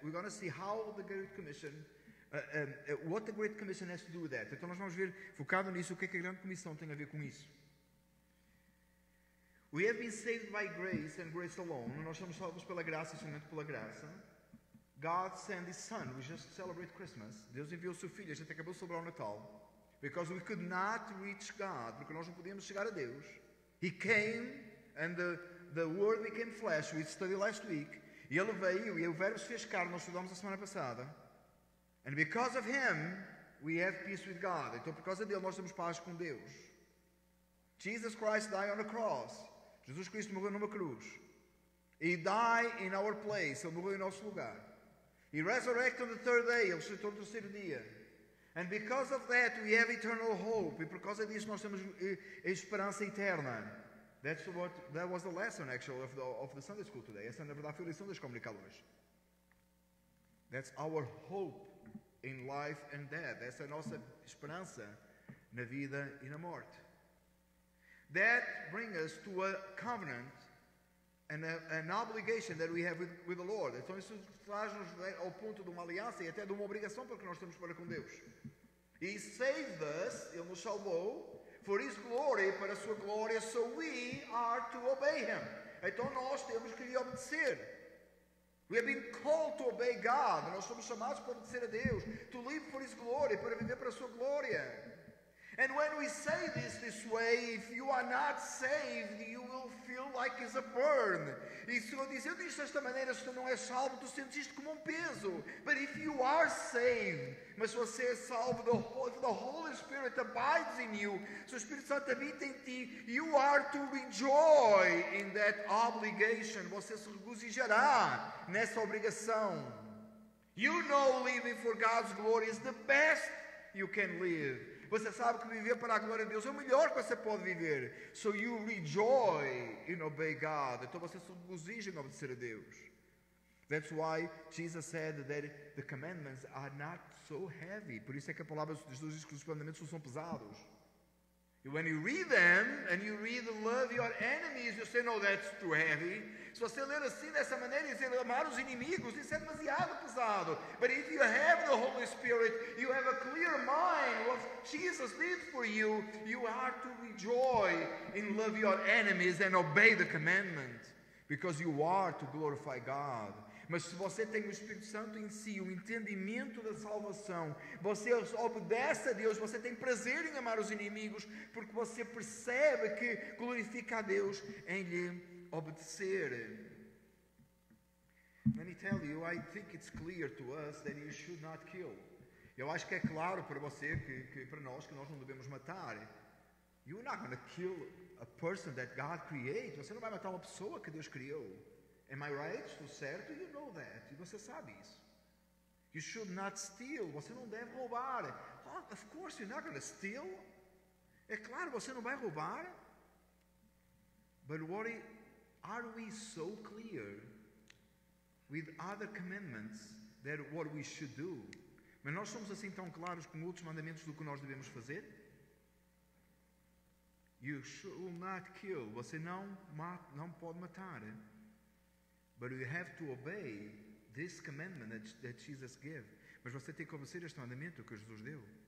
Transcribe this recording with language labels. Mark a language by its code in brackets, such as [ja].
[en] We're going to see how the Great Commission, what the Great Commission has to do with that. [pt] Então nós vamos ver, focado nisso, o que é que a Grande Comissão tem a ver com isso. [en] We have been saved by grace and grace alone. [pt] Nós somos salvos pela graça e somente pela graça. [en] God sent His Son. We just celebrate Christmas. [pt] Deus enviou o Seu Filho. A gente acabou de celebrar o Natal. [en] Because we could not reach God. [pt] Porque nós não podíamos chegar a Deus. [en] He came and the Word became flesh. We studied last week. [pt] E Ele veio, e o Verbo se fez carne, nós estudamos a semana passada. [en] And because of Him, we have peace with God. [pt] Então, por causa dEle, nós temos paz com Deus. [en] Jesus Christ died on the cross. [pt] Jesus Cristo morreu numa cruz. [en] He died in our place. [pt] Ele morreu em nosso lugar. [en] He resurrected on the third day. [pt] Ele ressuscitou no terceiro dia. [en] And because of that, we have eternal hope. [pt] E por causa disso, nós temos esperança eterna. [en] That's what that was the lesson actually of the Sunday school today. [pt] Essa na verdade foi a lição da escola dominical hoje. [en] That's our hope in life and death. [pt] Essa é a nossa esperança na vida e na morte. [en] That brings us to a covenant and an obligation that we have with the Lord. [pt] Então isso traz-nos ao ponto de uma aliança e até de uma obrigação para que nós temos para com Deus. [en] He saved us, [pt] Ele nos salvou. [en] For His glory, [pt] para a sua glória, [en] so we are to obey Him. [pt] Então nós temos que lhe obedecer. [en] We have been called to obey God. [pt] Nós somos chamados para obedecer a Deus. [en] To live for His glory, [pt] para viver para a sua glória. [en] And when we say this way, if you are not saved, you will feel like it's a burn. [pt] E se eu dizer isto desta maneira, se tu não és salvo, tu sentes isto como um peso. [en] But if you are saved, [pt] mas se você é salvo, [en] if the Holy Spirit abides in you, [pt] se o Espírito Santo habita em ti, [en] you are to enjoy in that obligation. [pt] Você se regozijará nessa obrigação. [en] You know living for God's glory is the best you can live. [pt] Você sabe que viver para a glória de Deus é o melhor que você pode viver. [en] So you rejoice in obey God. [pt] Então você se regozija em obedecer a Deus. [en] That's why Jesus said that the commandments are not so heavy. [pt] Por isso é que a palavra de Jesus diz que os mandamentos não são pesados. [en] When you read them and you read the love your enemies, you say, no, that's too heavy. [pt] Se você ler assim, dessa maneira, e dizer, amar os inimigos, isso é demasiado pesado. [en] But if you have the Holy Spirit, you have a clear mind of what Jesus did for you, you are to rejoice in love your enemies and obey the commandment. Because you are to glorify God. [pt] Mas se você tem o Espírito Santo em si, o entendimento da salvação, você obedece a Deus, você tem prazer em amar os inimigos, porque você percebe que glorifica a Deus em lhe obedecer. [en] Let me tell you, I think it's clear to us that you should not kill. [pt] Eu acho que é claro para você, que para nós, que nós não devemos matar. [en] You're not going to kill a person that God created. [pt] Você não vai matar uma pessoa que Deus criou. [en] Am I right? [pt] Estou certo? [en] You know that. [pt] E você sabe isso. [en] You should not steal. [pt] Você não deve roubar. [en] Oh, of course, you're not going to steal. [pt] É claro, você não vai roubar. [en] But what are we so clear with other commandments that what we should do? [pt] Mas nós somos assim tão claros com outros mandamentos do que nós devemos fazer? [en] You should not kill. [pt] Você não, não pode matar. [en] But you have to obey this commandment that Jesus gave. [pt] Mas você tem que obedecer este mandamento que Jesus deu.